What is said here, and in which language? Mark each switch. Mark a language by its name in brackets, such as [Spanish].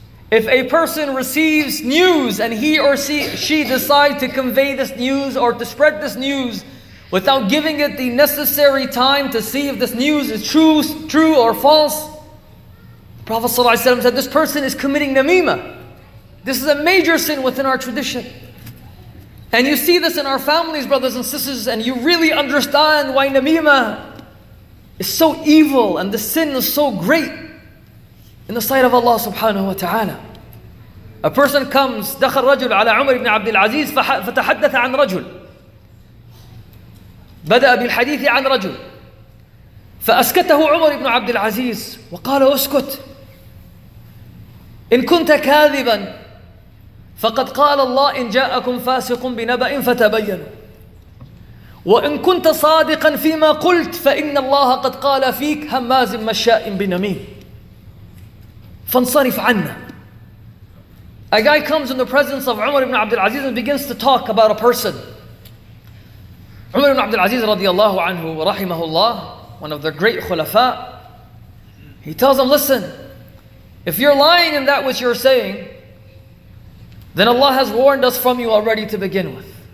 [English] If a person receives news and he or she decides to convey this news or to spread this news without giving it the necessary time to see if this news is true or false, the Prophet ﷺ said, this person is committing namima. This is a major sin within our tradition. And you see this in our families, brothers and sisters, and you really understand why namima is so evil and the sin is so great in the sight of Allah subhanahu wa ta'ala. A person comes, [Arabic] دخل رجل على عمر بن عبد العزيز فتحدث عن رجل بدأ بالحديث عن رجل فأسكته عمر بن عبد العزيز وقال أسكت إن كنت كاذبا فقد قال الله إن جاءكم فاسق بنبأ فتبين وإن كنت صادقا فيما قلت فإن الله قد قال فيك هماز مشاء بنميم فانصرف عنا. [English] A guy comes in the presence of Umar ibn Abdul Aziz and begins to talk about a person. Umar ibn Abdul Aziz radiallahu anhu wa rahimahullah, one of the great khulafa, he tells him, listen, if you're lying in that which you're saying, then Allah has warned us from you already to begin with.